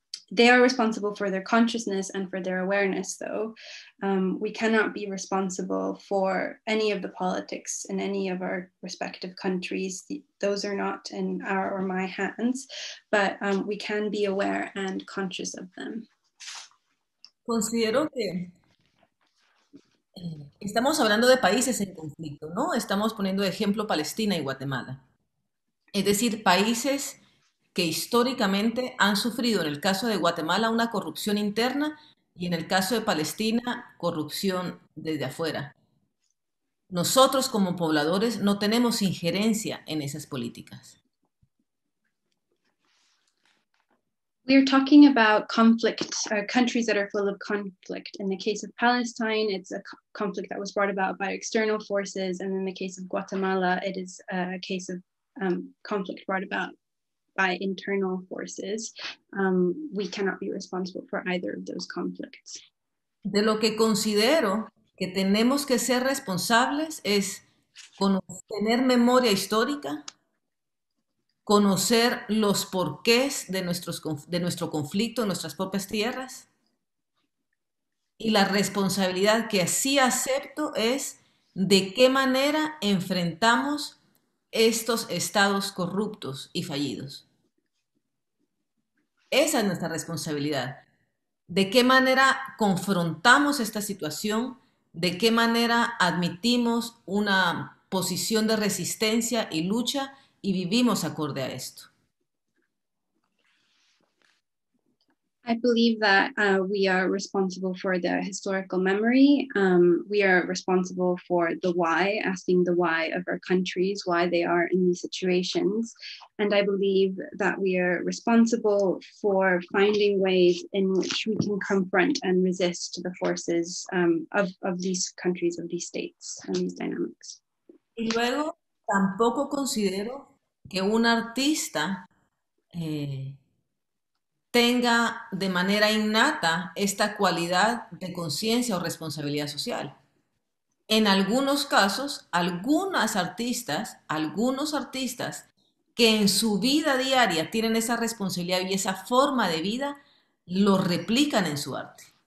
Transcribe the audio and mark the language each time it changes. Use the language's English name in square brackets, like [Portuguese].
[English] They are responsible for their consciousness and for their awareness, though. We cannot be responsible for any of the politics in any of our respective countries. Those are not in our or my hands, but we can be aware and conscious of them. [Spanish] Considero que estamos hablando de países en conflicto, ¿no? Estamos poniendo de ejemplo Palestina y Guatemala. Es decir, países que históricamente han sufrido, en el caso de Guatemala, una corrupción interna y en el caso de Palestina, corrupción desde afuera. Nosotros como pobladores no tenemos injerencia en esas políticas. [English] We are talking about conflicts, countries that are full of conflict. In the case of Palestine, it's a conflict that was brought about by external forces. And in the case of Guatemala, it is a case of conflict brought about by internal forces. We cannot be responsible for either of those conflicts. [Spanish] De lo que considero que tenemos que ser responsables es tener memoria histórica, conocer los porqués de nuestro conflicto en nuestras propias tierras. Y la responsabilidad que así acepto es de qué manera enfrentamos estos estados corruptos y fallidos. Esa es nuestra responsabilidad. ¿De qué manera confrontamos esta situación? ¿De qué manera admitimos una posición de resistencia y lucha y vivimos acorde a esto? [English] I believe that we are responsible for the historical memory. We are responsible for the why, asking the why of our countries, why they are in these situations. And I believe that we are responsible for finding ways in which we can confront and resist the forces of these countries, of these states, and these dynamics. [Spanish] Y luego, tampoco considero que un artista tenga de manera innata esta cualidad de conciencia o responsabilidad social. En algunos casos, algunos artistas que en su vida diaria tienen esa responsabilidad y esa forma de vida, lo replican en su arte.